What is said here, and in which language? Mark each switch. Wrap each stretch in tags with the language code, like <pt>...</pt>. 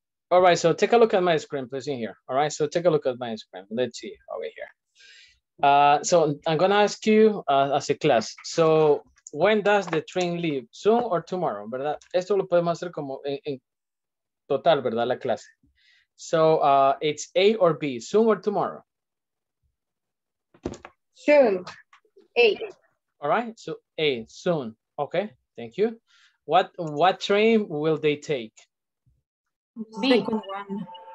<en>All right, so take a look at my screen, please, in here. All right, so take a look at my screen. Let's see over here. So I'm gonna ask you as a class. So when does the train leave? Soon or tomorrow,</en> <es>¿verdad? Esto lo podemos hacer como en total, ¿verdad? La clase.</es> <en>So it's A or B, soon or tomorrow? Soon, A. All right, so A, soon. Okay, thank you. What train will they take? B. Second one.</en>